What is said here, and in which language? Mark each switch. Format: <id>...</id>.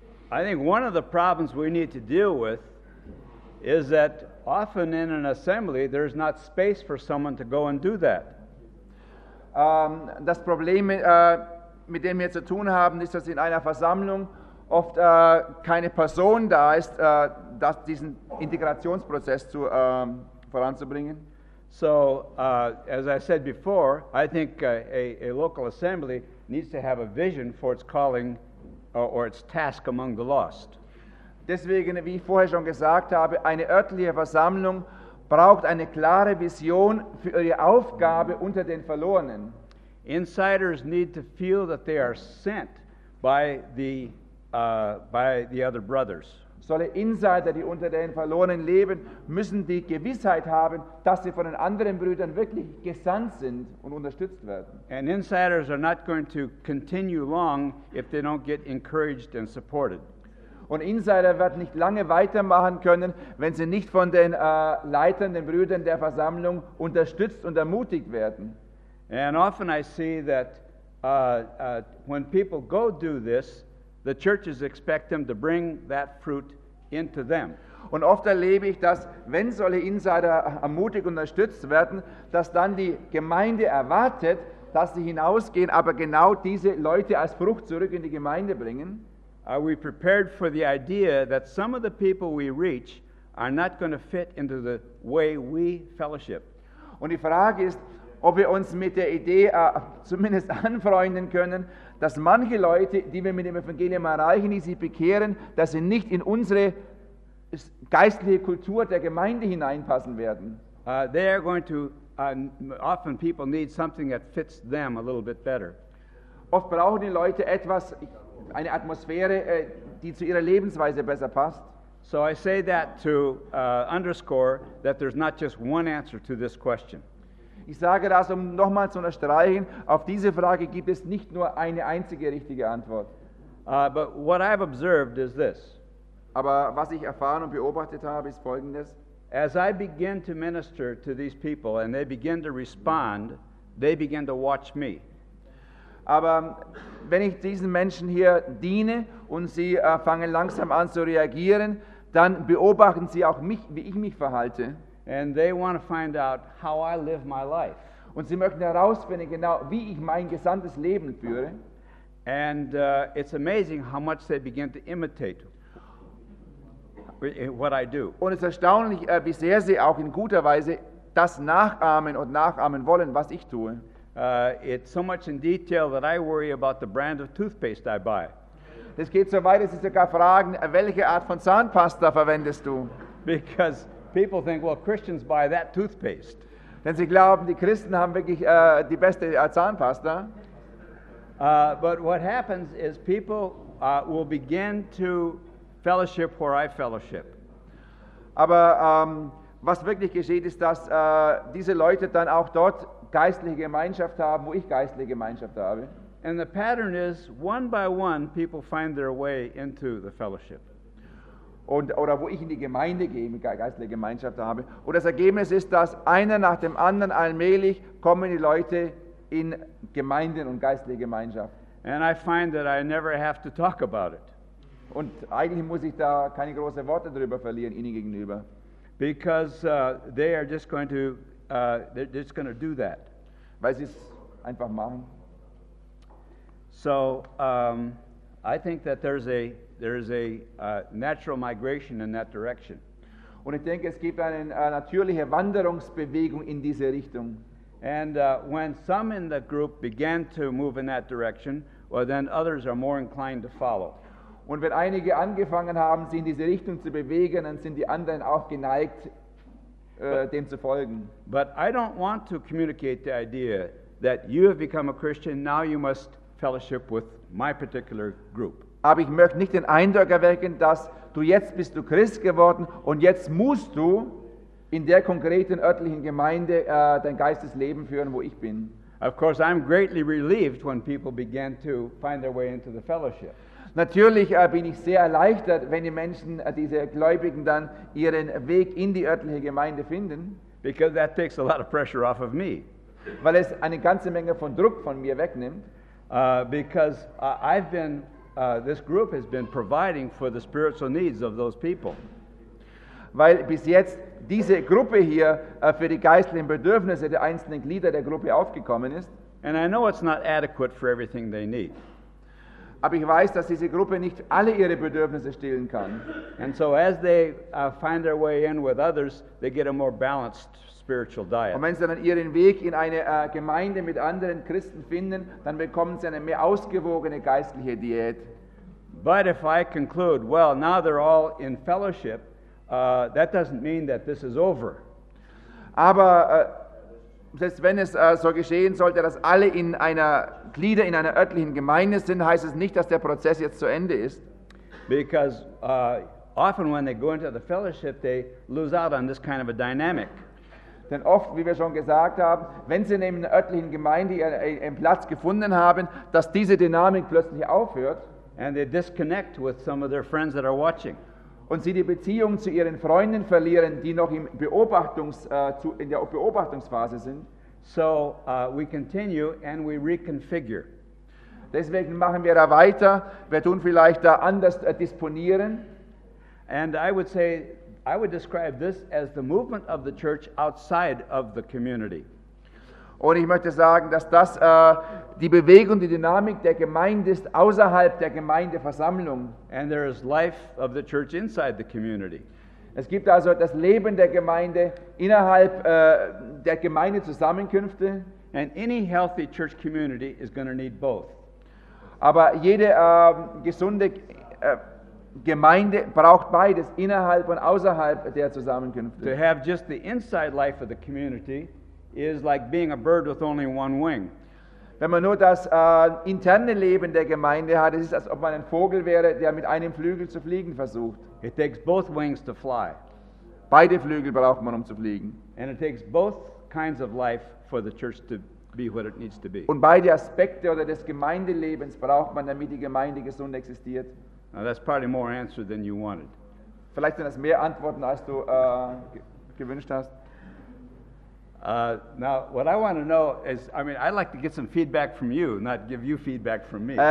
<en>I think one of the problems we need to deal with is that often in an assembly there's not space for someone to go and do that.</en> <de>Das Problem, mit dem wir zu tun haben, ist, dass in einer Versammlung oft keine Person da ist, das diesen Integrationsprozess zu voranzubringen.</de> <en>So, as I said before, I think a local assembly needs to have a vision for its calling or its task among the lost.</en> <de>Deswegen, wie ich vorher schon gesagt habe, eine örtliche Versammlung braucht eine klare Vision für ihre Aufgabe unter den Verlorenen.</de> <en>Insiders need to feel that they are sent by the other brothers.</en> <de>Solche Insider, die unter den Verlorenen leben, müssen die Gewissheit haben, dass sie von den anderen Brüdern wirklich gesandt sind und unterstützt werden.</de> <en>And insiders are not going to continue long if they don't get encouraged and supported.</en> <de>Und Insider werden nicht lange weitermachen können, wenn sie nicht von den Leitern, den Brüdern der Versammlung unterstützt und ermutigt werden.</de> <en>And often I see that when people go do this, the churches expect them to bring that fruit into them.</en> <de>Und oft erlebe ich, dass wenn solche Insider ermutigt und unterstützt werden, dass dann die Gemeinde erwartet, dass sie hinausgehen, aber genau diese Leute als Frucht zurück in die Gemeinde bringen.</de> <en>Are we prepared for the idea that some of the people we reach are not going to fit into the way we fellowship?</en> <de>Und die Frage ist, ob wir uns mit der Idee zumindest anfreunden können, dass manche Leute, die wir mit dem Evangelium erreichen, die sich bekehren, dass sie nicht in unsere geistliche Kultur der Gemeinde hineinpassen werden.</de> <en>They are going to, often people need something that fits them a little bit better.</en> <de>Oft brauchen die Leute etwas, eine Atmosphäre, die zu ihrer Lebensweise besser passt.</de> <en>So I say that to underscore that there's not just one answer to this question.</en> <de>Ich sage das, um nochmal zu unterstreichen, auf diese Frage gibt es nicht nur eine einzige richtige Antwort.</de> <en>But what I've observed is this.</en> <de>Aber was ich erfahren und beobachtet habe, ist Folgendes.</de> <en>As I begin to minister to these people and they begin to respond, they begin to watch me.</en> <de>Aber wenn ich diesen Menschen hier diene und sie fangen langsam an zu reagieren, dann beobachten sie auch mich, wie ich mich verhalte.</de> <en>And they want to find out how I live my life.</en> <de>Und sie möchten herausfinden, genau wie ich mein gesamtes Leben führe.</de> <en>And it's amazing how much they begin to imitate what I do.</en> <de>Und es ist erstaunlich, wie sehr sie auch in guter Weise das nachahmen und nachahmen wollen, was ich tue.</de> <en>It's so much in detail that I worry about the brand of toothpaste I buy.</en> <de>Es geht so weit, dass sie sogar fragen, welche Art von Zahnpasta verwendest du?</de> <en>Because people think, well, Christians buy that toothpaste.</en> <de>Denn sie glauben, die Christen haben wirklich die beste Zahnpasta.</de> <en>But what happens is people will begin to fellowship where I fellowship.</en> <de>Aber was wirklich geschieht, ist, dass diese Leute dann auch dort geistliche Gemeinschaft haben, wo ich geistliche Gemeinschaft habe.</de> <en>And the pattern is, one by one, people find their way into the fellowship.</en> <de>Und, oder wo ich in die Gemeinde gehe, geistliche Gemeinschaft habe. Und das Ergebnis ist, dass einer nach dem anderen allmählich kommen die Leute in Gemeinden und geistliche Gemeinschaft.</de> <en>And I find that I never have to talk about it.</en> <de>Und eigentlich muss ich da keine großen Worte darüber verlieren, ihnen gegenüber.</de> <en>Because they are just going to they're just going to do that.</en> <de>Weil sie es einfach machen.</de> <en>So I think that there is a natural migration in that direction.</en> <de>Und ich denke, es gibt eine natürliche Wanderungsbewegung in diese Richtung.</de> <en>And when some in the group began to move in that direction, well, then others are more inclined to follow.</en> <de>Und wenn einige angefangen haben, sich in diese Richtung zu bewegen, dann sind die anderen auch geneigt, dem zu folgen.</de> <en>But I don't want to communicate the idea that you have become a Christian, now you must fellowship with my particular group.</en> <de>Aber ich möchte nicht den Eindruck erwecken, dass du jetzt bist du Christ geworden und jetzt musst du in der konkreten örtlichen Gemeinde dein Geistesleben führen, wo ich bin.</de> <en>Of course, I'm greatly relieved when people began to find their way into the fellowship.</en> <de>Natürlich bin ich sehr erleichtert, wenn die Menschen, diese Gläubigen dann ihren Weg in die örtliche Gemeinde finden.</de> <en>Because that takes a lot of pressure off of me.</en> <de>Weil es eine ganze Menge von Druck von mir wegnimmt.</de> <en>This group has been providing for the spiritual needs of those people.</en> <de>Weil bis jetzt diese Gruppe hier für die geistlichen Bedürfnisse der einzelnen Glieder der Gruppe aufgekommen ist.</de> <en>And I know it's not adequate for everything they need.</en> <de>Aber ich weiß, dass diese Gruppe nicht alle ihre Bedürfnisse stillen kann.</de> <en>And so as they find their way in with others, they get a more balanced spiritual diet.</en> <de>Und wenn sie dann ihren Weg in eine Gemeinde mit anderen Christen finden, dann bekommen sie eine mehr ausgewogene geistliche Diät.</de> <en>But if I conclude, well, now they're all in fellowship, that doesn't mean that this is over.</en> <de>Aber selbst wenn es so geschehen sollte, dass alle in einer Glieder in einer örtlichen Gemeinde sind, heißt es nicht, dass der Prozess jetzt zu Ende ist.</de> <en>Because often when they go into the fellowship, they lose out on this kind of a dynamic.</en> <de>Denn oft, wie wir schon gesagt haben, wenn sie in einer örtlichen Gemeinde einen Platz gefunden haben, dass diese Dynamik plötzlich aufhört.</de> <en>And they disconnect with some of their friends that are watching.</en> <de>Und sie die Beziehung zu ihren Freunden verlieren, die noch im in der Beobachtungsphase sind.</de> <en>So we continue and we reconfigure.</en> <de>Deswegen machen wir da weiter. Wir tun vielleicht da anders disponieren.</de> <en>And I would describe this as the movement of the church outside of the community.</en> <de>Und ich möchte sagen, dass das die Bewegung, die Dynamik der Gemeinde ist außerhalb der Gemeindeversammlung.</de> <en>And there is life of the church inside the community.</en> <de>Es gibt also das Leben der Gemeinde innerhalb der Gemeindezusammenkünfte.</de> <en>And any healthy church community is going to need both.</en> <de>Aber jede gesunde Gemeinde braucht beides, innerhalb und außerhalb der Zusammenkünfte.</de> <en>To have just the inside life of the community is like being a bird with only one wing.</en> <de>Wenn man nur das interne Leben der Gemeinde hat, es ist, als ob man ein Vogel wäre, der mit einem Flügel zu fliegen versucht.</de> <en>It takes both wings to fly.</en> <de>Beide Flügel braucht man, um zu fliegen.</de> <en>And it takes both kinds of life for the church to be what it needs to be.</en> <de>Und beide Aspekte oder des Gemeindelebens braucht man, damit die Gemeinde gesund existiert.</de> <en>Now that's probably more answer than you wanted.</en> <de>Vielleicht sind das mehr Antworten, als du gewünscht hast.</de> <en>Now, what I want to know is, I mean, I'd like to get some feedback from you, not give you feedback from me.</en>